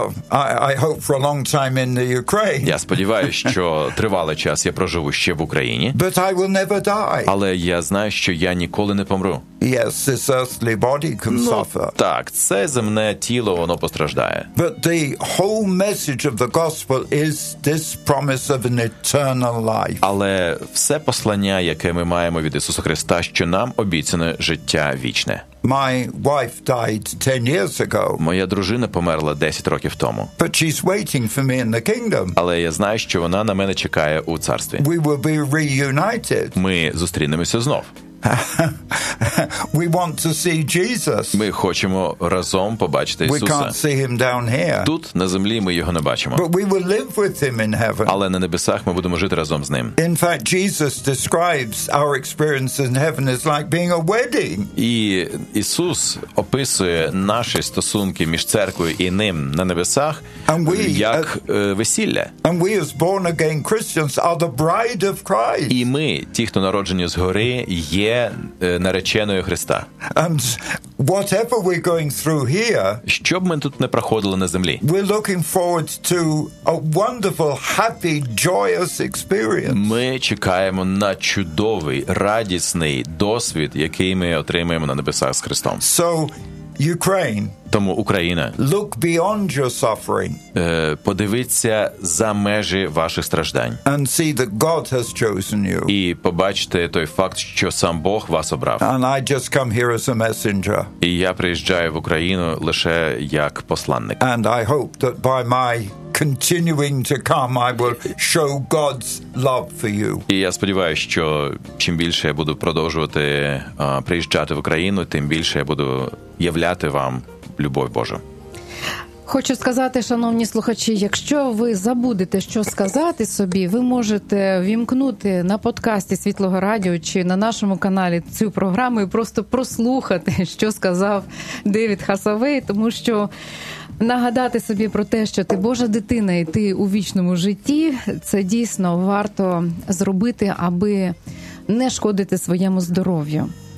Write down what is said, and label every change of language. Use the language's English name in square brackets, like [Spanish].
[English] I hope for a long time in the Ukraine. [Ukrainian] Я сподіваюся, що тривалий час я проживу ще в Україні. [English] But I will never die. [Ukrainian] Але я знаю, що я ніколи не помру. [English] Yes, this earthly body can suffer. [Ukrainian] Так, це земне тіло, воно постраждає. [English] But the whole message of the gospel is this promise of an eternal life. [Ukrainian] Але все послання, яке ми маємо від Ісуса Христа, що нам обіцяне життя вічне. [English] My wife died 10 years ago. [Ukrainian] Моя дружина померла 10 років тому. [English] But she's waiting for me in the kingdom. [Ukrainian] Але я знаю, що вона на мене чекає у царстві. [English] We will be reunited. [Ukrainian] Ми зустрінемося знов. [English] We want to see Jesus. [Ukrainian] Ми хочемо разом побачити Ісуса. [English] We can't see him down here. [Ukrainian] Тут на землі ми його не бачимо. [English] But we will live with him in heaven. [Ukrainian] Але на небесах ми будемо жити разом з ним. [English] In fact, Jesus describes our experience in heaven as like being a wedding. [Ukrainian] І Ісус описує наші стосунки між церквою і ним на небесах як весілля. [English] And we as born again Christians are the bride of Christ. [Ukrainian] І ми, ті, хто народжені згори, є нареченою Христа. [English] And whatever we're going through here, [Ukrainian] щоб ми тут не проходили на землі, [English] we're looking forward to a wonderful, happy, joyous experience. [Ukrainian] Ми чекаємо на чудовий, радісний досвід, який ми отримаємо на небесах з Христом. [English] So, Ukraine. [Ukrainian] Тому Україна. [English] Look beyond your suffering. [Ukrainian] Подивіться за межі ваших страждань. [English] And see that God has chosen you. [Ukrainian] І побачте той факт, що сам Бог вас обрав. [English] And I just come here as a messenger. [Ukrainian] І я приїжджаю в Україну лише як посланник. [English] And I hope that by my continuing to come, I will show God's love for you. [Ukrainian] І я сподіваюся, що чим більше я буду продовжувати приїжджати в Україну, тим більше я буду являти вам любов Божа. Хочу сказати, шановні слухачі, якщо ви забудете, що сказати собі, ви можете вімкнути на подкасті Світлого Радіо чи на нашому каналі цю програму і просто прослухати, що сказав Девід Хасавей, тому що нагадати собі про те, що ти Божа дитина і ти у вічному житті, це дійсно варто зробити, аби не шкодити своєму здоров'ю.